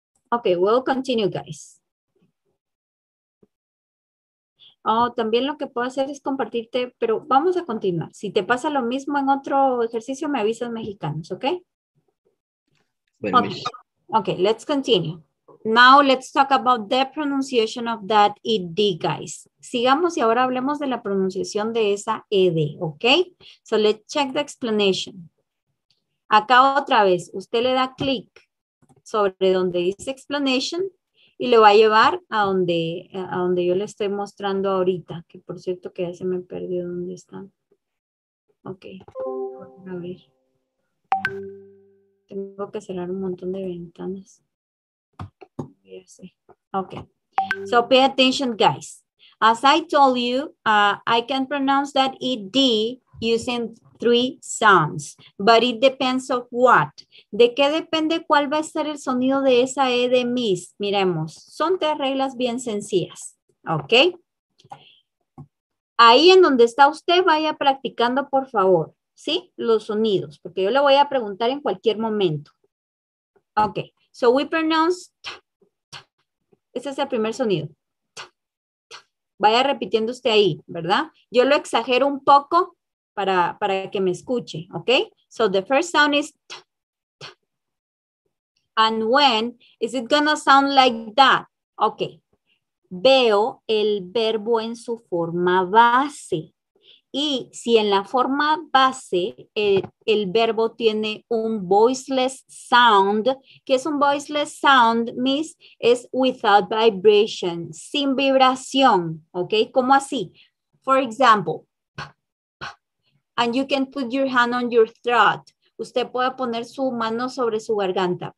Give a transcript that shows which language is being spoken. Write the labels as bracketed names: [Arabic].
[English] Ok, we'll continue, guys. [Spanish] Oh, también lo que puedo hacer es compartirte, pero vamos a continuar. Si te pasa lo mismo en otro ejercicio, me avisas mexicanos, ¿ok? Bueno, [English] okay. Ok, let's continue. now let's talk about the pronunciation of that ed, guys. [Spanish] Sigamos y ahora hablemos de la pronunciación de esa ed, ¿ok? [English] So let's check the explanation. [Spanish] Acá otra vez, usted le da clic sobre donde dice explanation y le va a llevar a donde yo le estoy mostrando ahorita, que por cierto que ya se me perdió dónde está. Ok, a ver. Tengo que cerrar un montón de ventanas. Ya sé. [English] Ok, so pay attention, guys. As I told you, I can pronounce that ed using three sounds, but it depends of what. [Spanish] ¿De qué depende cuál va a ser el sonido de esa E de Miss? Miremos, son tres reglas bien sencillas, ¿ok? Ahí en donde está usted, vaya practicando, por favor, ¿sí? Los sonidos, porque yo le voy a preguntar en cualquier momento. [English] Ok, so we pronounce, [Spanish] ese es el primer sonido. Vaya repitiendo usted ahí, ¿verdad? Yo lo exagero un poco para que me escuche, ¿ok? [English] So the first sound is t, t. And when is it gonna sound like that? [Spanish] Ok. Veo el verbo en su forma base. Y si en la forma base el verbo tiene un voiceless sound, ¿qué es un voiceless sound, Miss? Es [English] without vibration, [Spanish] sin vibración, ¿ok? ¿Cómo así? [English] For example, and you can put your hand on your throat. [Spanish] Usted puede poner su mano sobre su garganta.